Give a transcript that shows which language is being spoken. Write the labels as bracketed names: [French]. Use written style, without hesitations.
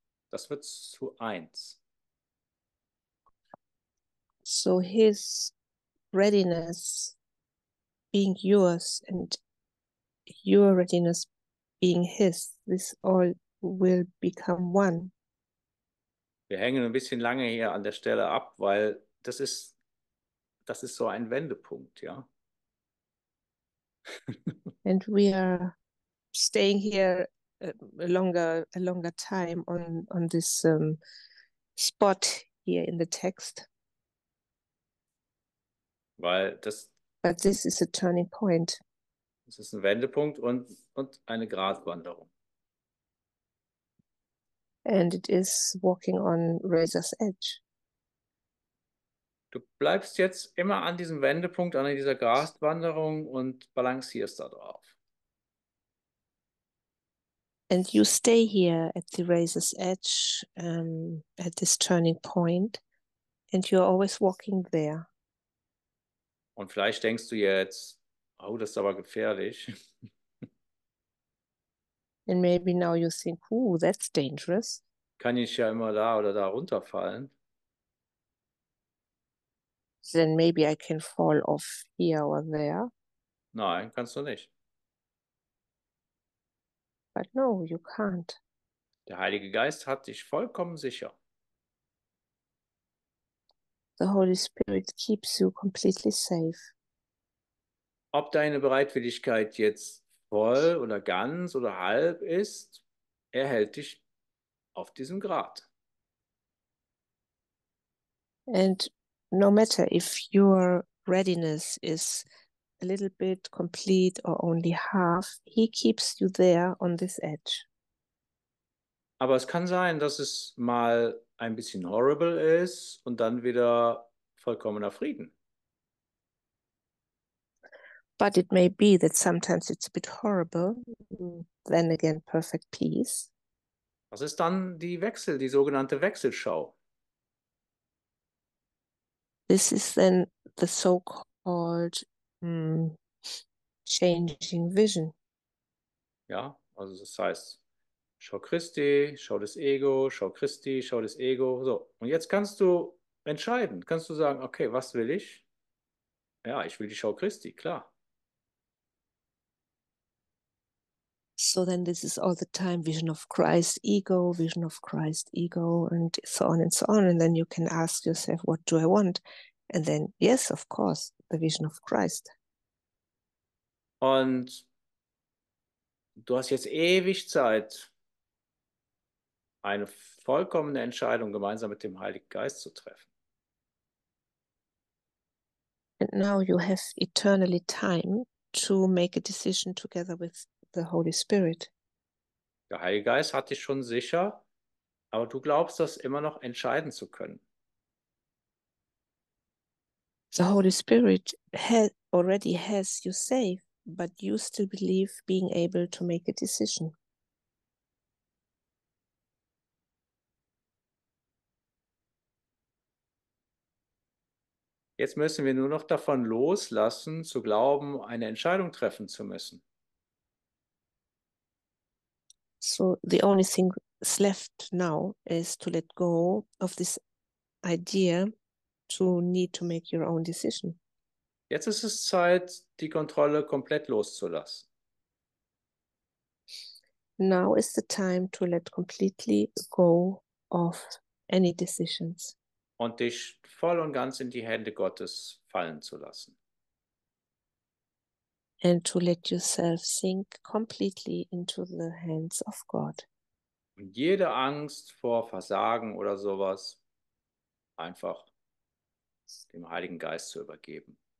[German] Das wird zu eins. [English] So his readiness being yours and your readiness being his, this all will become one. [German] Wir hängen ein bisschen lange hier an der Stelle ab, weil das ist so ein Wendepunkt, ja. [English] And we are staying here a longer time on this spot here in the text. [German] Weil das. [English] But this is a turning point. [German] Das ist ein Wendepunkt und eine Gratwanderung. [English] And it is walking on razor's edge. [German] Du bleibst jetzt immer an diesem Wendepunkt, an dieser Gratwanderung und balancierst da drauf. [English] And you stay here at the razor's edge, at this turning point, and you're always walking there. [German] Und vielleicht denkst du jetzt, oh, das ist aber gefährlich. [English] And maybe now you think, oh, that's dangerous. [German] Kann ich ja immer da oder da runterfallen. [English] Then maybe I can fall off here or there. [German] Nein, kannst du nicht. [English] But no, you can't. [German] Der Heilige Geist hat dich vollkommen sicher. [English] The Holy Spirit keeps you completely safe. [German] Ob deine Bereitwilligkeit jetzt voll oder ganz oder halb ist, er hält dich auf diesem Grat. [English] And no matter if your readiness is a little bit complete or only half, he keeps you there on this edge. [German] Aber es kann sein, dass es mal ein bisschen horrible ist und dann wieder vollkommener Frieden. [English] But it may be that sometimes it's a bit horrible, then again perfect peace. [German] Was ist dann die Wechsel, die sogenannte Wechselschau? [English] This is then the so-called Changing vision. [German] Ja, also das heißt, schau Christi, schau das Ego, schau Christi, schau das Ego. So, und jetzt kannst du entscheiden. Kannst du sagen, okay, was will ich? Ja, ich will die Schau Christi, klar. [English] So then this is all the time vision of Christ, ego, vision of Christ, ego, and so on and so on. And then you can ask yourself, what do I want? And then, yes, of course, the vision of Christ. [German] Und du hast jetzt ewig Zeit, eine vollkommene Entscheidung gemeinsam mit dem Heiligen Geist zu treffen. [English] And now you have eternally time to make a decision together with the Holy Spirit. [German] Der Heilige Geist hat dich schon sicher, aber du glaubst, das immer noch entscheiden zu können. [English] The Holy Spirit already has you safe, but you still believe being able to make a decision. [German] Jetzt müssen wir nur noch davon loslassen, zu glauben, eine Entscheidung treffen zu müssen. [English] So the only thing left now is to let go of this idea to need to make your own decision. [German] Jetzt ist es Zeit, die Kontrolle komplett loszulassen. [English] Now is the time to let completely go of any decisions. [German] Und dich voll und ganz in die Hände Gottes fallen zu lassen. [English] And to let yourself sink completely into the hands of God. [German] Und jede Angst vor Versagen oder sowas einfach dem Heiligen Geist zu übergeben.